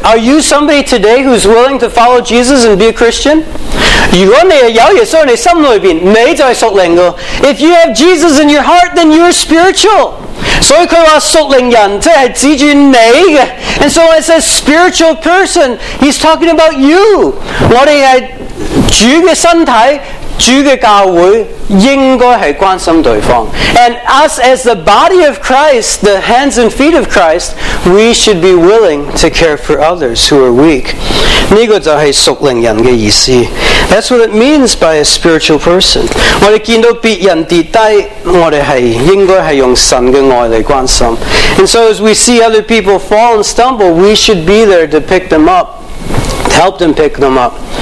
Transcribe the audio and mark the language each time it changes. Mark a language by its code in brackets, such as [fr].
[en] Are you somebody today who's willing to follow Jesus and be a Christian? [yue] 如果你有耶稣在你心里面,你就是属灵的。 [en] If you have Jesus in your heart, then you're spiritual. [yue] 所以他说属灵人,即是指着你的。 [en] And so it says spiritual person, he's talking about you. [yue] 我们是主的身体, 主的教会应该是关心对方。 [en] And us as the body of Christ, the hands and feet of Christ, we should be willing to care for others who are weak. [yue] 这个就是属灵人的意思。 [en] That's what it means by a spiritual person. [yue] 我们见到别人跌低, 我们应该是用神的爱来关心。 [en] And so as we see other people fall and stumble, we should be there to pick them up, to help them pick them up.